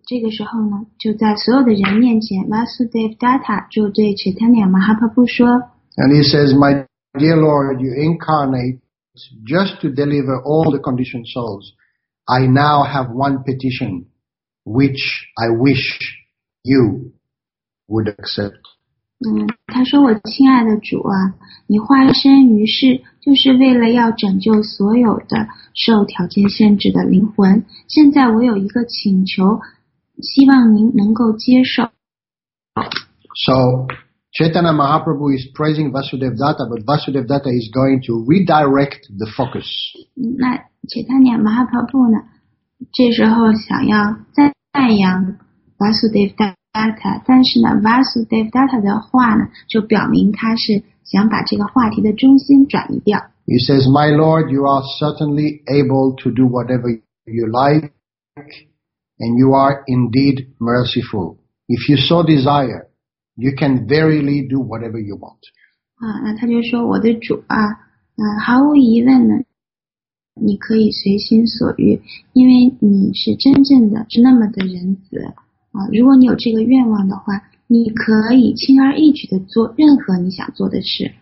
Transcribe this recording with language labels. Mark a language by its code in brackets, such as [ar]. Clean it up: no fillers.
[zh] 这个时候呢，就在所有的人面前 ，Vasudev Datta 就对 Chaitanya Mahaprabhu 说 [en] ，And he says, "My dear Lord, you incarnate just to deliver all the conditioned souls. I now have one petition, which I wish you would accept." [zh] 他说我亲爱的主啊，你化身于世就是为了要拯救所有的受条件限制的灵魂，现在我有一个请求，希望您能够接受。 [en] So Chaitanya Mahaprabhu is praising Vasudev Datta, but Vasudev Datta is going to redirect the focus. [zh] 那 Chaitanya Mahaprabhu 呢，这时候想要赞扬 Vasudev Datta，但是呢 Vasudev Datta 的话呢，就表明他是想把这个话题的中心转移掉。 [en] He says, "My Lord, you are certainly able to do whatever you like, and you are indeed merciful. If you so desire, you can verily do whatever you want." [zh] 那他就说我的主啊，毫无疑问呢，你可以随心所欲，因为你是真正的，是那么的仁慈。如果你有这个愿望的话，你可以轻而易举地做任何你想做的事。